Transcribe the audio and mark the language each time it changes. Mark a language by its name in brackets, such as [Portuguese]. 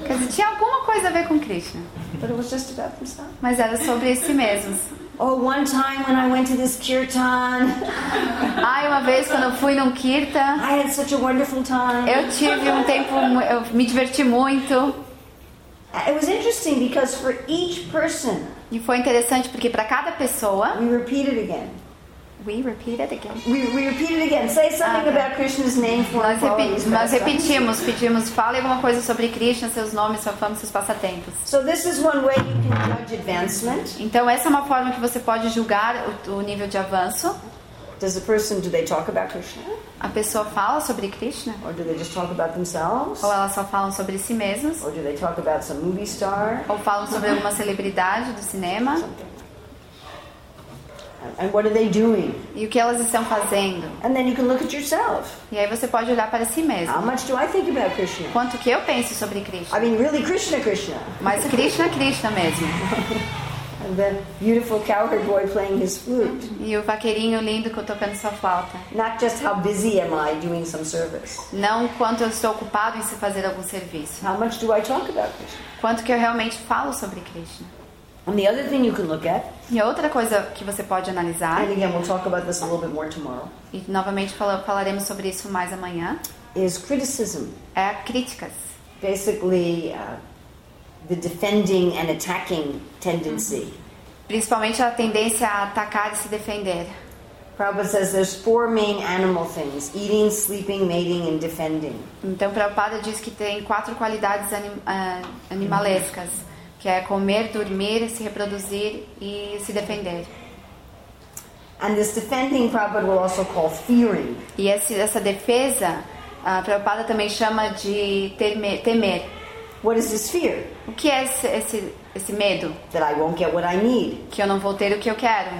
[Portuguese] Quer dizer, tinha alguma coisa a ver com Krishna. [English] But it was just about themselves. [Portuguese] Mas era sobre si mesmos. [English] Oh, one time when I went to this kirtan. [Portuguese] Ai, uma vez quando eu fui num kirtan. [English] I had such a wonderful time. [Portuguese] Eu tive tempo, eu me diverti muito. [English] It was interesting because for each person. [Portuguese] E foi interessante porque para cada pessoa. [English] We repeated again. We repeat it again. Say something about Krishna's name for us. [Portuguese] Nós repetimos, pedimos, fale alguma coisa sobre Krishna, seus nomes, sua fama, seus passatempos. [English] So this is one way you can judge advancement. [Portuguese] Então essa é uma forma que você pode julgar o nível de avanço. [English] Does the person, do they talk about Krishna? [Portuguese] A pessoa fala sobre Krishna? [English] Or do they just talk about themselves? [Portuguese] Ou elas só falam sobre si mesmas? [English] Or do they talk about some movie star? [Portuguese] Ou falam sobre alguma celebridade do cinema? [English] And what are they doing? [Portuguese] E o que elas estão fazendo? [English] And then you can look at yourself. [Portuguese] E aí você pode olhar para si mesmo. [English] How much do I think about Krishna? [Portuguese] Quanto que eu penso sobre Krishna? [English] I mean, really Krishna, Krishna. [Portuguese] Mas Krishna, Krishna mesmo. [English] And then beautiful cowherd boy playing his flute. [Portuguese] E o vaqueirinho lindo que eu tocando sua flauta. [English] Not just how busy am I doing some service. [Portuguese] Não quanto eu estou ocupado em se fazer algum serviço. [English] How much do I talk about Krishna? [Portuguese] Quanto que eu realmente falo sobre Krishna? [English] And the other thing you can look at. [Portuguese] E outra coisa que você pode analisar. [English] And again, we'll talk about this a little bit more tomorrow. [Portuguese] E novamente falaremos sobre isso mais amanhã. [English] Is criticism. [Portuguese] É críticas. [English] Basically, the defending and attacking tendency. [Portuguese] Principalmente a tendência a atacar e se defender. [English] Prabhupada says there's four main animal things: eating, sleeping, mating, and defending. [Portuguese] Então, Prabhupada diz que tem quatro qualidades animalescas. Que é comer, dormir, se reproduzir e se defender. [English] And this defending, Prabhupada will also call fearing. [Portuguese] E essa defesa, a Prabhupada também chama de temer. [English] What is this fear? [Portuguese] O que é esse medo? [English] That I won't get what I need. [Portuguese] Que eu não vou ter o que eu quero.